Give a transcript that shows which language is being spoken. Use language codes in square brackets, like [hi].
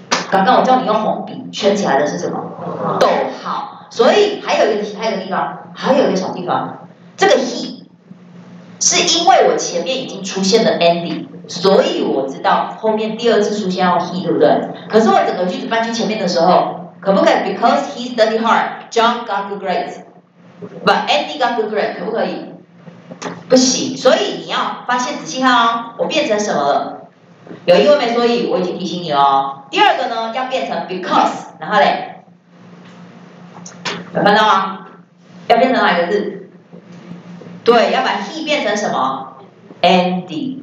[zh] 刚刚我叫你用红笔圈起来的是什么？逗号。所以还有一个，还有一个地方，还有一个小地方，这个 he 是因为我前面已经出现了 Andy， 所以我知道后面第二次出现要 he， 对不对？可是我整个句子搬去前面的时候，可不可以 ？ [en] Because he studied hard, John got good grades, [zh] but Andy got good grades， 可不可以？不行，所以你要发现仔细看哦，我变成什么了？有因为没所以，我已经提醒你了哦。第二个呢，要变成 because， 然后嘞，有看到吗？要变成哪个字？对，要把 he 变成什么 ？Andy。